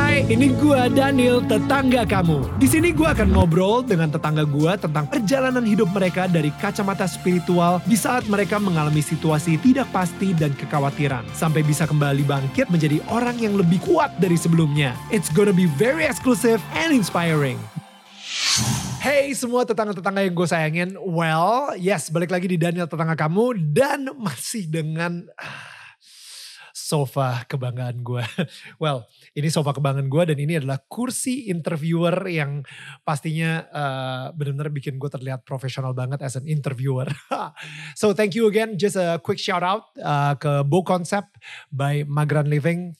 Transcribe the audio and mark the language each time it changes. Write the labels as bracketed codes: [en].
[id] Ini gue Daniel, tetangga kamu. Di sini gue akan ngobrol dengan tetangga gue tentang perjalanan hidup mereka dari kacamata spiritual di saat mereka mengalami situasi tidak pasti dan kekhawatiran. Sampai bisa kembali bangkit menjadi orang yang lebih kuat dari sebelumnya. [en] It's gonna be very exclusive and inspiring. [id] Hey semua tetangga-tetangga yang gue sayangin. [en] Well, yes, [id] balik lagi di Daniel, tetangga kamu. Dan masih dengan sofa kebanggaan gue. Well, ini sofa kebanggaan gue dan ini adalah kursi interviewer yang pastinya benar-benar bikin gue terlihat profesional banget [en] as an interviewer. So thank you again, just a quick shout out ke Bo Concept by Magran Living.